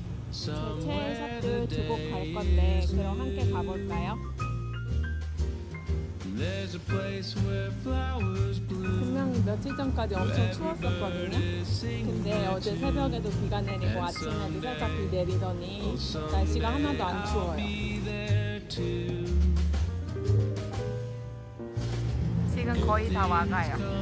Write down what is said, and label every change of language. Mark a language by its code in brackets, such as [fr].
[ko] 채채의 샵도 두 곡 갈 건데 그럼 함께 가볼까요? [en] There's a place where flowers bloom. [ko] 분명 며칠 전까지 엄청 추웠었거든요. 근데 어제 새벽에도 비가 내리고 아침에도 살짝 비 내리더니 날씨가 하나도 안 추워요. 지금 거의 다 와가요.